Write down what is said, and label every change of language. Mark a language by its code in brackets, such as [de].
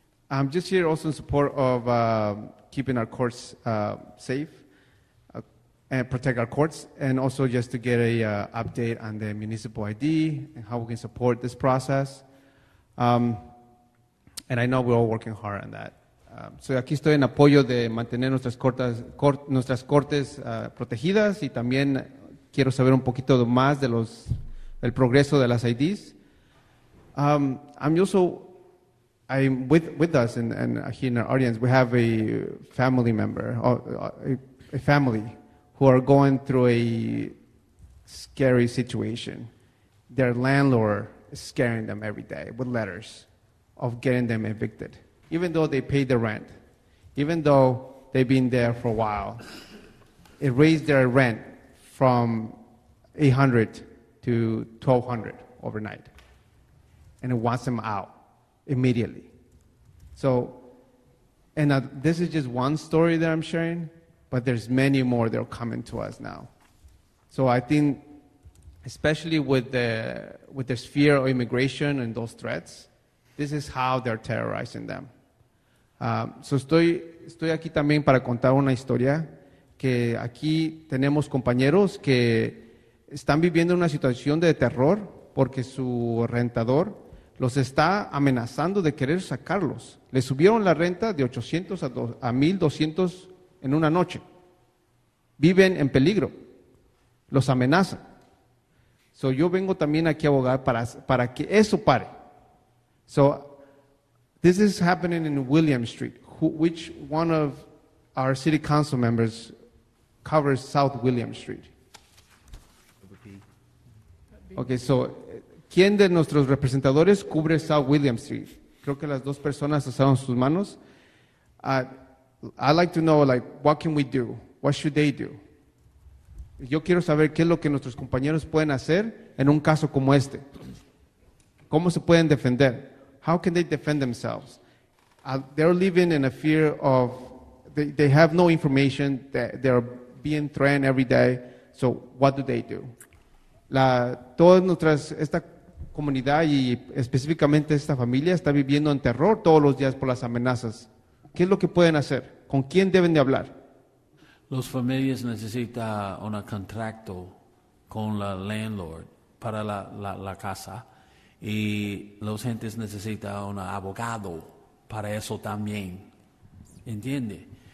[en] I'm just here also in support of keeping our courts safe and protect our courts, and also just to get an update on the municipal ID and how we can support this process. And I know we're all working hard on that. [es] So aquí estoy en apoyo de mantener nuestras cortes protegidas, y también quiero saber un poquito más de los el progreso de las IDs. [en] I'm with us and here in our audience, we have a family member, a family who are going through a scary situation. Their landlord is scaring them every day with letters of getting them evicted, even though they paid the rent, even though they've been there for a while. It raised their rent from $800 to $1,200 overnight, and it wants them out immediately. So, and this is just one story that I'm sharing, but there's many more that are coming to us now. So I think, especially with the fear of immigration and those threats, this is how they're terrorizing them. [es] So estoy aquí también para contar una historia, que aquí tenemos compañeros que están viviendo una situación de terror porque su rentador los está amenazando de querer sacarlos. Le subieron la renta de 800 a 1,200 en una noche. Viven en peligro. Los amenazan. So yo vengo también aquí a abogar para que eso pare. [en] So this is happening in William Street, which one of our city council members covers South William Street. [es] Okay, so ¿quién de nuestros representadores cubre South William Street? Creo que las dos personas alzaron sus manos. [en] I'd like to know, like, what can we do? What should they do? [es] Yo quiero saber qué es lo que nuestros compañeros pueden hacer en un caso como este. ¿Cómo se pueden defender? [en] How can they defend themselves? They're living in a fear of, they have no information, that they're being threatened every day, so what do they do? [es] Todas nuestras, esta comunidad y específicamente esta familia está viviendo en terror todos los días por las amenazas. ¿Qué es lo que pueden hacer? ¿Con quién deben de hablar? Los familias necesita un contrato con la landlord para la casa y los gentes necesita un abogado para eso también, ¿entiende?